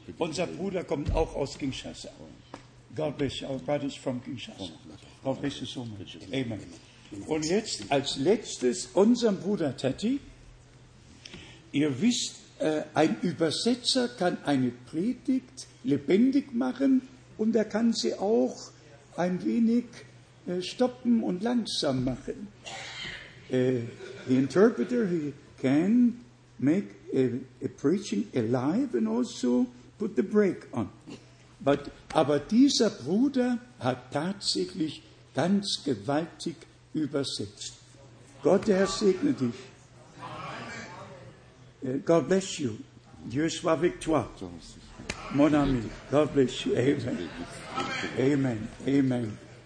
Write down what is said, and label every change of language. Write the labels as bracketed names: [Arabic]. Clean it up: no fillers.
[German] Unser Bruder kommt auch aus Kinshasa. [English] God bless you, our brother is from Kinshasa. God bless you so much. Amen. [German] Und jetzt als letztes unserem Bruder Tati. Ihr wisst, ein Übersetzer kann eine Predigt lebendig machen und er kann sie auch ein wenig stoppen und langsam machen. [English] The interpreter, he can make a preaching alive and also put the brake on. [German] Aber dieser Bruder hat tatsächlich ganz gewaltig übersetzt. Gott, der Herr, segne dich. [English] God bless you. [French] Dieu soit avec toi. Mon ami, [English] God bless you. Amen. Amen. Amen.